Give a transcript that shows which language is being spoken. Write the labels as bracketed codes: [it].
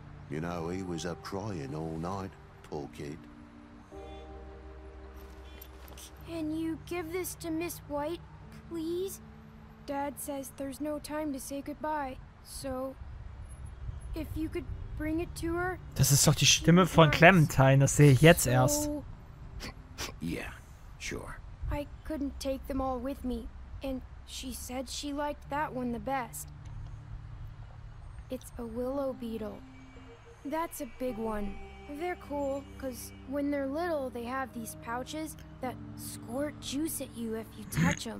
[en] You know, he was up crying all night, poor kid. Can you give this to Miss White? Please? Dad says there's no time to say goodbye, so if you could bring it to her. [de] Das ist doch die Stimme von Clementine, das sehe ich jetzt erst. [en] Yeah, sure. I couldn't take them all with me, and she said she liked that one the best. It's a willow beetle. That's a big one. They're cool, because when they're little, they have these pouches that squirt juice at you if you touch them.